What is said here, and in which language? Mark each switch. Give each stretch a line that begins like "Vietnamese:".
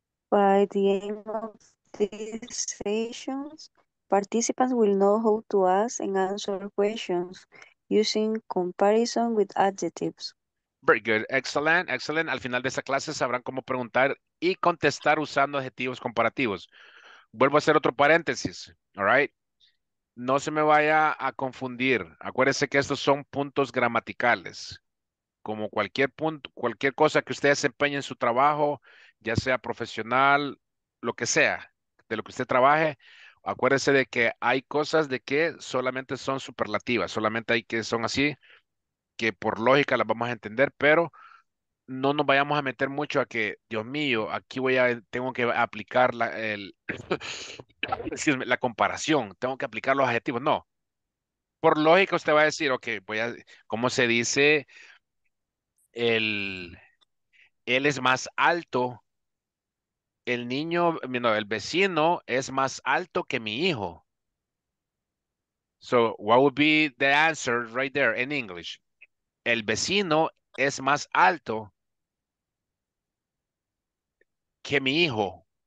English: By the end of these sessions, participants will know how to ask and answer questions using comparison with adjectives. Very good. Excellent, excellent.
Spanish: Al final de esa clase sabrán cómo preguntar y contestar usando adjetivos comparativos. Vuelvo a hacer otro paréntesis,
English: all right?
Spanish: No se me vaya a confundir. Acuérdense que estos son puntos gramaticales. Como cualquier punto, cualquier cosa que usted desempeñe en su trabajo, ya sea profesional, lo que sea, de lo que usted trabaje, acuérdense de que hay cosas de que solamente son superlativas, solamente hay que son así, que por lógica las vamos a entender, pero no nos vayamos a meter mucho a que, Dios mío, aquí tengo que aplicar la comparación, tengo que aplicar los adjetivos. No. Por lógica usted va a decir, ok, ¿cómo se dice? Él es más alto. El vecino es más alto que mi hijo.
English: So, what would be the answer right there in English?
Spanish: El vecino es más alto que mi hijo.